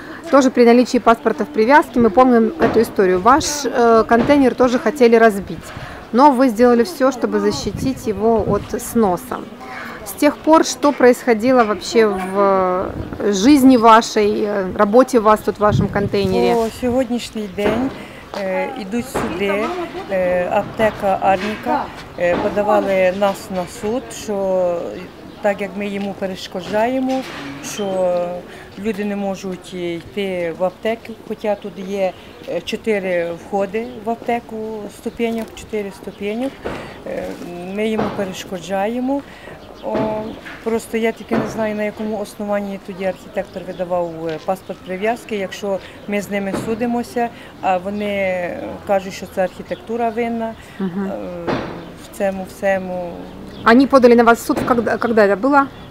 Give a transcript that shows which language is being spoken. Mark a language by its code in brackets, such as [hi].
[ru] Тоже при наличии паспорта в привязке, мы помним эту историю. Ваш контейнер тоже хотели разбить, но вы сделали все, чтобы защитить его от сноса. С тех пор, что происходило вообще в жизни вашей, работе вас тут в вашем контейнере? По сегодняшний день идут суды, аптека Арника подавали нас на суд, [uk] что так як ми йому перешкоджаємо, що люди не можуть йти в аптеку, хоча тут є 4 входи в аптеку, ступенів, 4 ступені, ми йому перешкоджаємо. Просто я тільки не знаю, на якому основанні тоді архітектор видавав паспорт прив'язки, якщо ми з ними судимося, а вони кажуть, що це архітектура винна в цьому всьому. [ru] Они подали на вас в суд, когда это было?